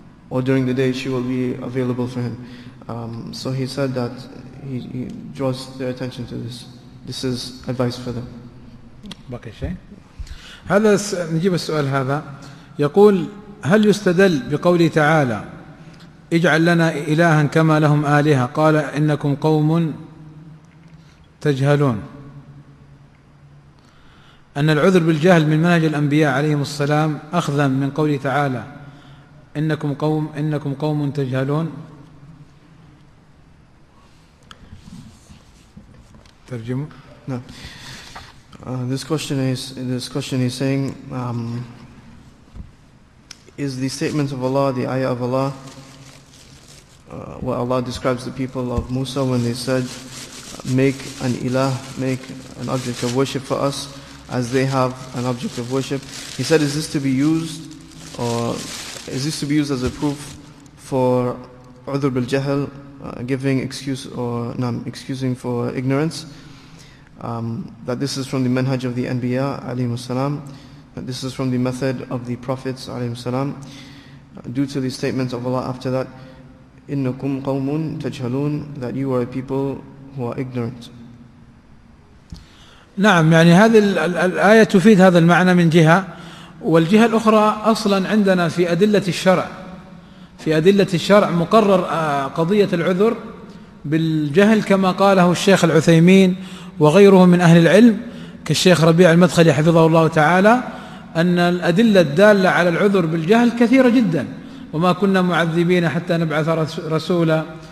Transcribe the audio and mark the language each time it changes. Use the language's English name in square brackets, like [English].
[English] Or during the day, she will be available for him. So he said that he draws their attention to this. This is advice for them. [Arabic] باقي شيء؟ هذا نجيب السؤال هذا. يقول: هل يستدل بقوله تعالى اجعل لنا إلها كما لهم آلهة قال إنكم قوم تجهلون أن العذر بالجهل من منهج الأنبياء عليهم السلام أخذا من قوله تعالى إنكم قوم تجهلون؟ ترجمه. [English] This question is saying, is the statement of Allah, the ayah of Allah, where Allah describes the people of Musa when they said, make an ilah, make an object of worship for us, as they have an object of worship. He said, is this to be used as a proof for udhur bil jahl, giving excuse or no, excusing for ignorance, that this is from the manhaj of the Anbiya alayhi wasalam, that this is from the method of the Prophets alayhi wasalam, due to the statements of Allah after that, [Arabic] innakum qawmun tajhalun, [English] that you are a people who are ignorant. [Arabic] نعم يعني هذه الآية تفيد هذا المعنى من جهة، والجهة الأخرى أصلا عندنا في أدلة الشرع، في أدلة الشرع مقرر قضية العذر بالجهل كما قاله الشيخ العثيمين وغيره من أهل العلم كالشيخ ربيع المدخلي حفظه الله تعالى، أن الأدلة الدالة على العذر بالجهل كثيرة جدا، وما كنا معذبين حتى نبعث رسولا،